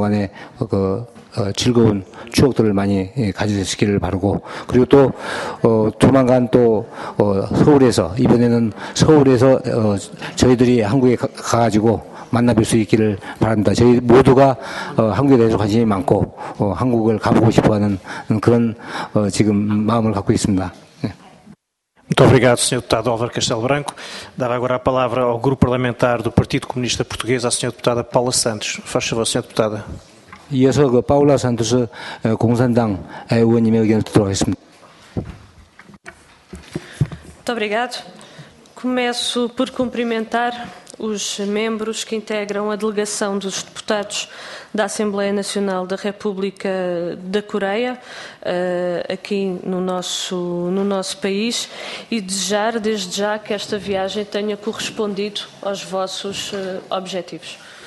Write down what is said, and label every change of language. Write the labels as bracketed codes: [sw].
[pt] Eu [ko] 추억들을 많이 가지시기를 바라고 그리고 또 조만간 또 서울에서 이번에는 서울에서 저희들이 한국에 가가지고 만나뵐 수 있기를 바랍니다. 저희 모두가 한국에 대해서 관심이 많고 한국을 가보고 싶어하는 그런 지금 마음을 갖고 있습니다. [pt] Muito obrigado, Sr. Deputado Álvaro Castelo Branco. Dará agora a palavra ao Grupo Parlamentar do Partido Comunista Português, à Sra. Deputada Paula Santos. Faz favor, Sra. Deputada. [ko] 이어서 그 파울라 산토스 공산당 의원님의 의견을 듣도록 하겠습니다. [pt] Muito obrigado. Começo por cumprimentar os membros que integram a delegação dos deputados da Assembleia Nacional da República da Coreia, aqui no nosso país, e desejar desde já que esta viagem tenha correspondido aos vossos objetivos.